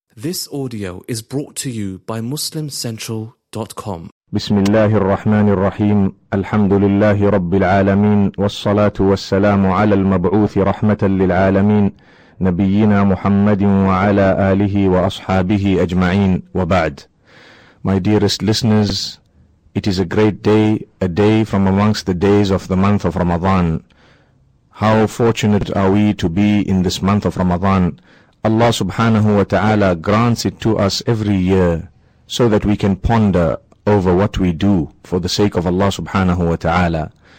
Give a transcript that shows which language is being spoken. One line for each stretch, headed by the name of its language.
English: This audio is brought to you by MuslimCentral.com.
Arabic: بسم الله الرحمن الرحيم الحمد لله رب العالمين والصلاة والسلام على المبعوث رحمة للعالمين نبينا محمد وعلى آله وأصحابه أجمعين وبعد.
English: My dearest listeners, it is a great day, a day from amongst the days of the month of Ramadan. How fortunate are we to be in this month of Ramadan. Allah subhanahu wa ta'ala grants it to us every year so that we can ponder over what we do for the sake of Allah subhanahu wa ta'ala.